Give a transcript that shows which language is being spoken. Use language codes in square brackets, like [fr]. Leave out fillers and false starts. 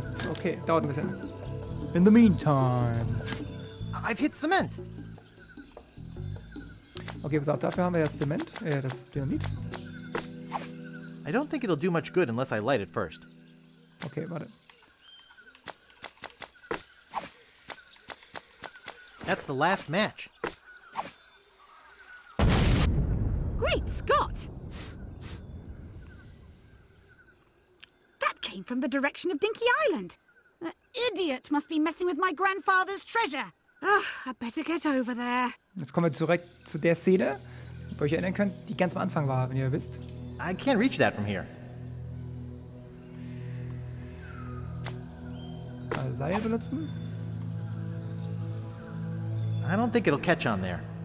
[de] Okay, dauert ein bisschen. [en] In the meantime. I've hit cement. [de] Okay, pass auf, dafür haben wir das Zement, das Dynamit. [en] I don't think it'll do much good unless I light it first. [de] Okay, warte. [en] That's the last match. Great Scott! That came from the direction of Dinky Island. That idiot must be messing with my grandfather's treasure. Oh, I better get over there. [de] Jetzt kommen wir zurück zu der Szene, wo ihr euch erinnern könnt, die ganz am Anfang war, wenn ihr wisst. [en] I can't reach that from here. [de] Also Seil benutzen. [en] I don't think it'll catch on there.